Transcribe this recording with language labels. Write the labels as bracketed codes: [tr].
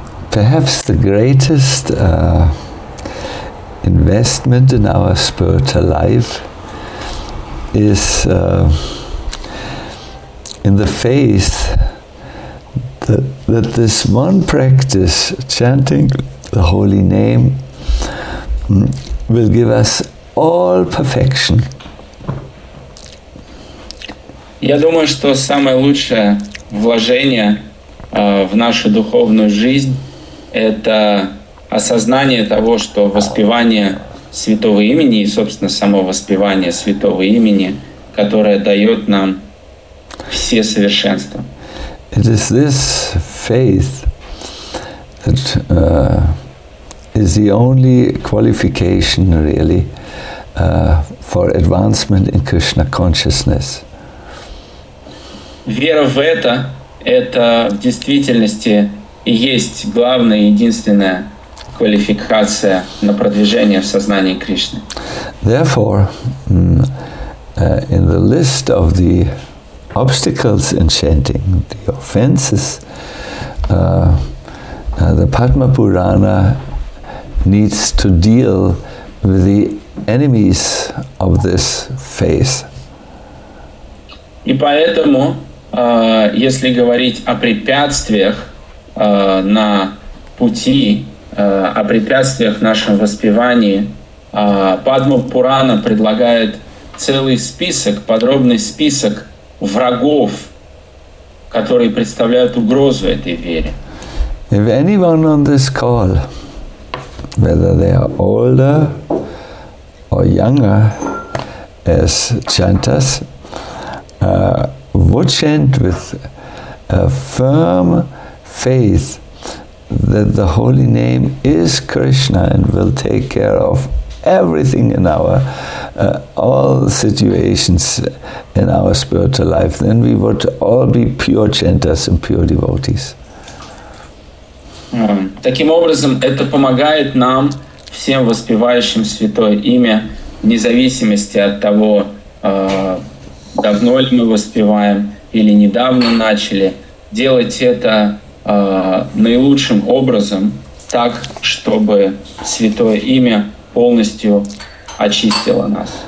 [en] Perhaps the greatest investment in our spiritual life is in the faith that this one practice, chanting the holy name, will give us all perfection. [ru] Я думаю, что самое лучшее вложение в нашу духовную жизнь — это осознание того, что воспевание святого имени и, собственно, само воспевание святого имени, которое дает нам все совершенства. [en] It is this faith that is the only qualification, really, for advancement in Krishna consciousness. [ru] Вера в это в действительности и есть главная и единственная квалификация на продвижение в сознании Кришны. [en] Therefore, in the list of the obstacles in chanting, the offenses, the Padma Purana needs to deal with the enemies of this faith. [ru] И поэтому, если говорить о препятствиях на пути, о препятствиях в нашем воспевании, Падма Пурана предлагает целый список, подробный список врагов, которые представляют угрозу этой вере. [en] If anyone on this call, whether they are older or younger as chanters, would chant with a firm faith that the holy name is Krishna and will take care of everything in our all situations in our spiritual life, then we would all be pure chanters and pure devotees. [ru] Таким образом, это помогает нам, всем воспевающим святое имя, вне зависимости от того, давно ли мы воспеваем или недавно начали, делать это наилучшим образом, так, чтобы святое имя полностью очистило нас.